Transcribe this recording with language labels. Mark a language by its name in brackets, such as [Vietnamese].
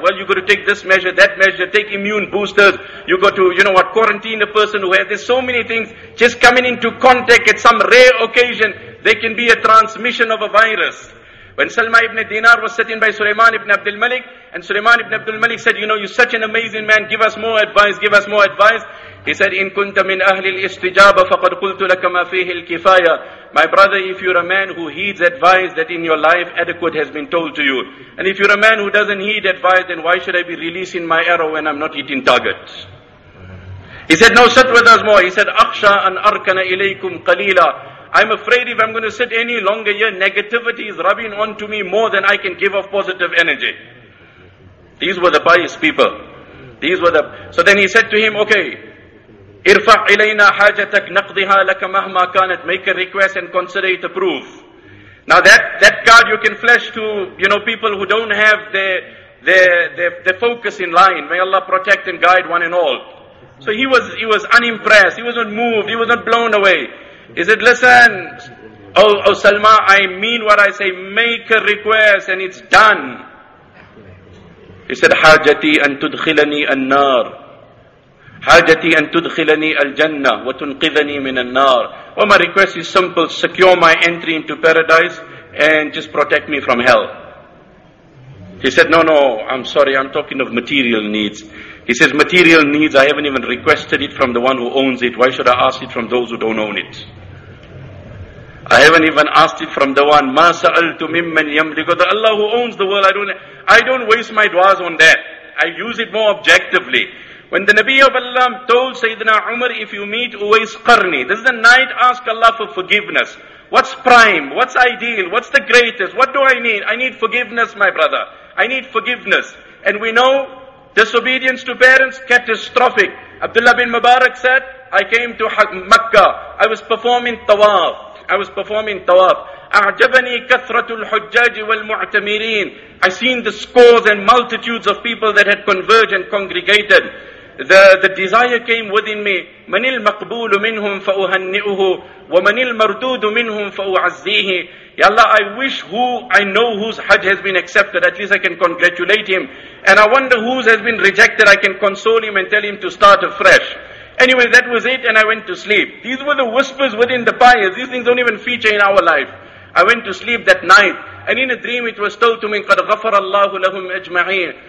[English] Well, you've got to take this measure, that measure, take immune boosters. You've got to, you know what, quarantine a person who has so many things. Just coming into contact at some rare occasion, there can be a transmission of a virus. When Salma ibn Dinar was sitting by Sulaiman ibn Abdul Malik, and Sulaiman ibn Abdul Malik said, you know, you're such an amazing man, give us more advice, give us more advice. He said, [Arabic] إِن كُنْتَ مِنْ أَهْلِ الْإِسْتِجَابَةِ فَقَدْ قُلْتُ لَكَ مَا فِيهِ الْكِفَايَةِ. [English] My brother, if you're a man who heeds advice, that in your life adequate has been told to you. And if you're a man who doesn't heed advice, then why should I be releasing my arrow when I'm not hitting targets? He said, no, sit with us more. He said, [Arabic] أَخْشَى أَنْ أَرْكَنَ إِلَيْكُمْ قَلِيلًا. [English] I'm afraid if I'm going to sit any longer here, negativity is rubbing onto me more than I can give of positive energy. These were the pious people. So then he said to him, okay, [Arabic] irfa ilayna hajatak naqdiha laka mahma kanat. [English] Make a request and consider it approved. Now that card you can flash to, you know, people who don't have their focus in line. May Allah protect and guide one and all. So he was unimpressed. He was not moved. He was not blown away. He said, listen, oh Salma, I mean what I say. Make a request and it's done. He said, [Arabic] حاجتي أن تدخلني النار. حاجتي أن تدخلني الجنة وتنقذني من النار. [English] Well, my request is simple. Secure my entry into paradise and just protect me from hell. He said, no, I'm sorry. I'm talking of material needs. He says, material needs, I haven't even requested it from the one who owns it. Why should I ask it from those who don't own it? I haven't even asked it from the one, [Arabic] مَا سَأَلْتُ مِمَّنْ يَمْلِكُ. [English] The Allah who owns the world, I don't waste my du'as on that. I use it more objectively. When the Nabi of Allah told Sayyidina Umar, if you meet Uwais Qarni, this is the night, ask Allah for forgiveness. What's prime? What's ideal? What's the greatest? What do I need? I need forgiveness, my brother. I need forgiveness. And we know, disobedience to parents, catastrophic. Abdullah bin Mubarak said, I came to Makkah. I was performing tawaf. [Arabic] أعجبني كثرة الحجاج والمعتمرين. [English] I seen the scores and multitudes of people that had converged and congregated. The desire came within me. [Arabic] من المقبول منهم فأهنئه ومن المردود منهم فأعزيه. [English] Ya Allah, I wish I know whose Hajj has been accepted. At least I can congratulate him. And I wonder whose has been rejected. I can console him and tell him to start afresh. Anyway, that was it, and I went to sleep. These were the whispers within the pious. These things don't even feature in our life. I went to sleep that night, and in a dream it was told to me, [Arabic] قَدْ غَفَرَ اللَّهُ لَهُمْ أَجْمَعِينَ.